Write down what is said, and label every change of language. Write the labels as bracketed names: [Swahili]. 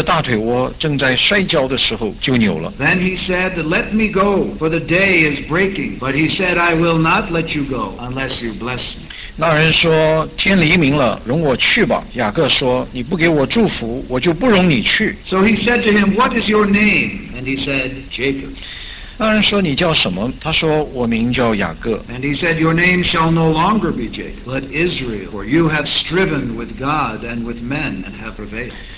[Chinese] 那人见自己胜不过他，就将他的大腿窝摸了一把。雅各的大腿窝正在摔跤的时候就扭了。 [English] Then he said, Let me go, for the day is breaking. But he said, I will not let you go unless you bless me. [Chinese] 那人说，天黎明了，容我去吧。雅各说，你不给我祝福，我就不容你去。So [English] he said to him, What is your name? And he said, Jacob. [Chinese] 那人说你叫什么？他说我名叫雅各。 [English] And he said, Your name shall no longer be Jacob, but Israel, for you have striven with God and with men and have prevailed.